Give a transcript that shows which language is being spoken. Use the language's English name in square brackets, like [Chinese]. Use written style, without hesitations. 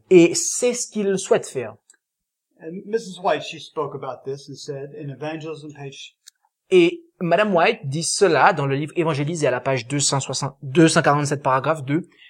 [French] Et c'est ce qu'il souhaite faire. [English] And Mrs. White, she spoke about this and said in Evangelism page. [French] Et Madame White dit cela dans le livre Évangélisé à la page 247, paragraphe 2.